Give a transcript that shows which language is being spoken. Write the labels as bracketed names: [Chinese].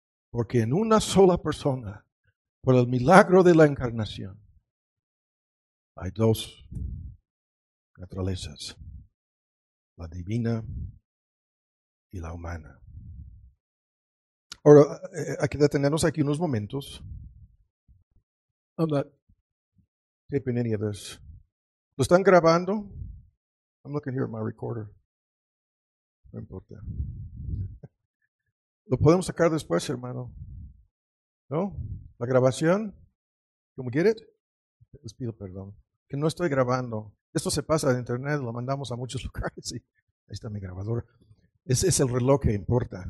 [Spanish] Porque en una sola persona, por el milagro de la encarnación, hay dos naturalezas, la divina y la humana. Ahora, hay que detenernos aquí unos momentos. [English] I'm not taping any of this. [Spanish] ¿Lo están grabando? [English] I'm looking here at my recorder. [Spanish] No importa. ¿Lo podemos sacar después, hermano? ¿No? ¿La grabación? ¿Cómo [English] get it? [Spanish] Les pido perdón. Que no estoy grabando. Esto se pasa en internet, lo mandamos a muchos lugares. Y ahí está mi grabadora. Ese es el reloj que importa.